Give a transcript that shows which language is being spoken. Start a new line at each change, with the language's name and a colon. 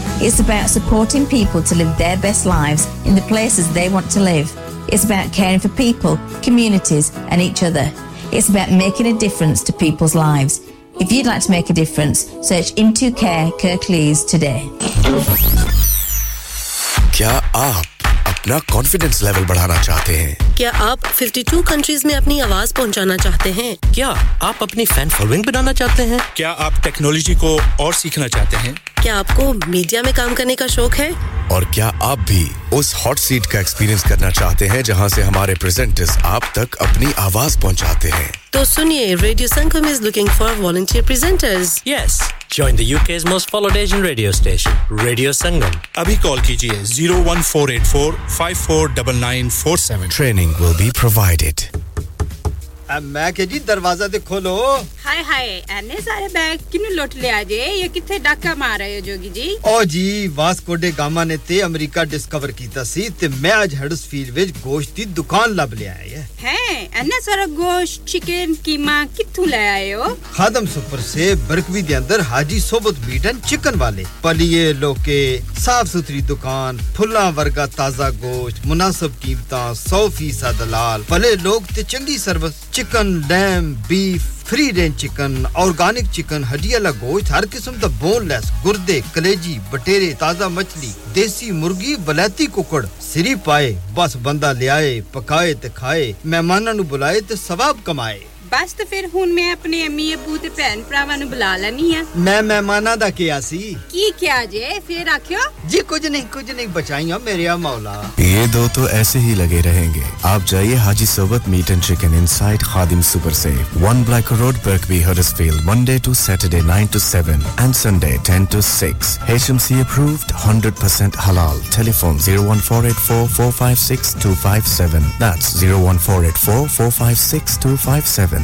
English: It's about supporting people to live their best lives in the places they want to live. It's about caring for people, communities, and each other. It's about making a difference to people's lives. If you'd like to make a difference, search Into Care Kirklees today.
Hindi: क्या आप अपना confidence level बढ़ाना चाहते हैं? क्या आप 52 countries में अपनी आवाज पहुंचाना चाहते हैं? क्या आप अपनी फैन फॉलोइंग बनाना चाहते हैं? क्या आप टेक्नोलॉजी को और सीखना चाहते हैं? क्या आपको मीडिया में काम करने का शौक है? और क्या आप भी उस हॉट सीट का एक्सपीरियंस करना चाहते हैं जहां से हमारे प्रेजेंटर्स आप तक अपनी आवाज पहुंचाते हैं? तो सुनिए, radio Sangam
English: Is looking for volunteer presenters. Yes, join the UK's most followed Asian radio station radio Sangam.
Hindi: अभी कॉल कीजिए 01484549947.
English: Training will be provided.
Punjabi: ਮੈਂ ਕਿ ਜੀ ਦਰਵਾਜ਼ਾ ਤੇ ਖੋਲੋ ਹਾਏ ਹਾਏ ਐਨੇ ਸਾਰੇ ਬੈਗ ਕਿਨੂੰ ਲੁੱਟ ਲਿਆ ਜੇ ਇਹ ਕਿੱਥੇ ਡਾਕਾ ਮਾਰ ਰਹੇ ਹੋ ਜੋਗੀ ਜੀ ਓ ਜੀ ਵਾਸਕੋ ਡੇ ਗਾਮਾ ਨੇ ਤੇ ਅਮਰੀਕਾ ਡਿਸਕਵਰ ਕੀਤਾ ਸੀ ਤੇ ਮੈਂ ਅੱਜ ਹੈਡਸਫੀਲ ਵਿੱਚ ਗੋਸ਼ਤ ਦੀ ਦੁਕਾਨ ਲੱਭ ਲਿਆ ਹੈ ਹੈ ਐਨੇ ਸਾਰੇ ਗੋਸ਼ਤ ਚਿਕਨ ਕੀਮਾ ਕਿੱਥੋਂ ਲੈ ਆਏ ਹੋ ਖਾਦਮ ਸੁਪਰ ਸੇ ਬਰਕਵੀ ਦੇ ਅੰਦਰ ਹਾਜੀ ਸੋਬਤ ਮੀਟ ਐਂਡ ਚਿਕਨ ਵਾਲੇ ਪਲੀਏ ਲੋਕੇ ਸਾਫ਼ ਸੁਥਰੀ ਦੁਕਾਨ ਫੁੱਲਾਂ ਵਰਗਾ ਤਾਜ਼ਾ ਗੋਸ਼ਤ ਮੁਨਾਸਬ ਕੀਮਤਾਂ 100% ਦਲਾਲ ਭਲੇ ਲੋਕ ਤੇ ਚੰਗੀ service
English: Chicken, lamb, beef, free-range chicken, organic chicken,
Punjabi: hadiyala gosht, har kisam da boneless, gurde, kaleji, batere, taza machli, desi murgi, balati kukad, siri paaye, bas banda liaye, pakaye te khaye, mehmana nu bulaye te sawab kamaye. ਬਸ ਤੇ ਫਿਰ ਹੁਣ ਮੈਂ ਆਪਣੇ ਅੰਮੀ ਅਬੂ ਤੇ ਭੈਣ ਭਰਾਵਾਂ ਨੂੰ ਬੁਲਾ ਲੈਣੀ ਆ ਮੈਂ ਮਹਿਮਾਨਾਂ ਦਾ ਕਿਹਾ ਸੀ ਕੀ ਕਿਹਾ ਜੇ ਫਿਰ ਆਖਿਓ ਜੀ ਕੁਝ ਨਹੀਂ ਬਚਾਈਆਂ ਮੇਰਿਆ ਮੌਲਾ ਇਹ ਦੋ ਤੋਂ ਐਸੇ ਹੀ ਲਗੇ ਰਹਿਣਗੇ ਆਪ ਜਾਈਏ ਹਾਜੀ ਸੋਬਤ meat and chicken inside Khadim super say 1 black road ਬਰਕਵੀ ਹਰਸਫੀਲਡ
English: Monday to Saturday 9 to 7 and Sunday 10 to 6 HMC approved
Punjabi: 100% ਹਲਾਲ ਟੈਲੀਫੋਨ 01484456257 ਦੈਟਸ 01484456257